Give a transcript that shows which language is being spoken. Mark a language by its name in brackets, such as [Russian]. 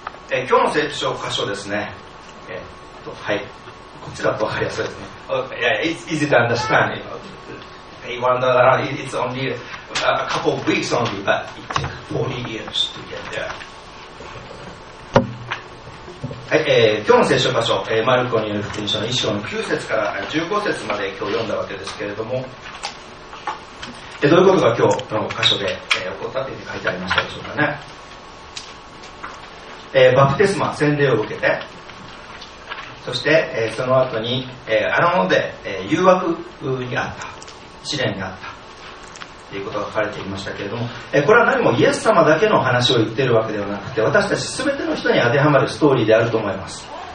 [Japanese] 今日の聖書箇所ですね、はい、こちらと分かりやすいですね。 [English] It's easy to understand. They wandered around. It's only a couple of weeks only, but it took 40 years to get there. [Japanese] はい。今日の聖書箇所、マルコによる福音書の1章の9節から15節まで今日読んだわけですけれども、どういうことが今日の箇所で、起こったというふうに書いてありましたでしょうかね。バプテスマ、洗礼を受けて、そして、その後に、荒野で、誘惑にあった、試練にあったということが書かれていましたけれども、これは何もイエス様だけの話を言っているわけではなくて、私たち全ての人に当てはまるストーリーであると思います。